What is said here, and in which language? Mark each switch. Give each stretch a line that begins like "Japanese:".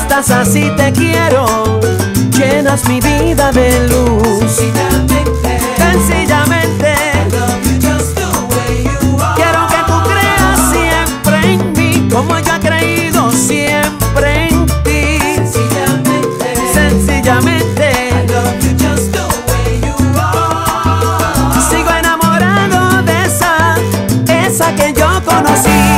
Spanish: Así te quiero, llenas mi vida de luz. Sencillamente, sencillamente,
English: I love you just the way you are.
Spanish: Quiero que tú creas siempre en mí, como yo he creído siempre en ti. Sencillamente, sencillamente,
English: I love you just the way you are.
Spanish: Sigo enamorado de esa, esa que yo conocí.